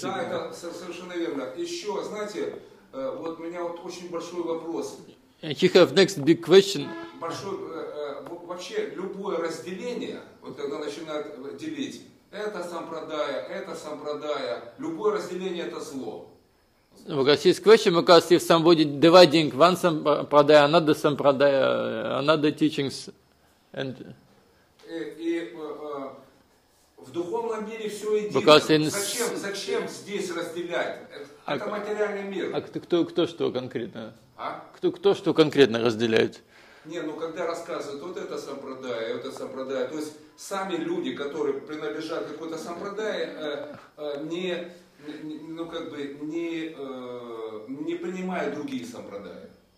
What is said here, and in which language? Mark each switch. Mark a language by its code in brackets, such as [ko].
[ru] Да, это совершенно верно. Еще, знаете, вот у меня вот очень большой вопрос. [en] He have next big question. [ru] Большой, вообще, любое разделение, вот когда начинают делить, это сампрадая, это сампрадая, любое разделение это зло. [en] Because his question, because if somebody dividing one sampradaya, another sampradaya, another teachings, and... [ru] И в духовном мире все едино. Зачем здесь разделять? Это материальный мир. А кто что конкретно? Кто что конкретно разделяет? Не, ну когда рассказывают вот это сампрадая, вот это сампрадая, то есть сами люди, которые принадлежат какой-то сампрадае, не принимают другие сампрадаи.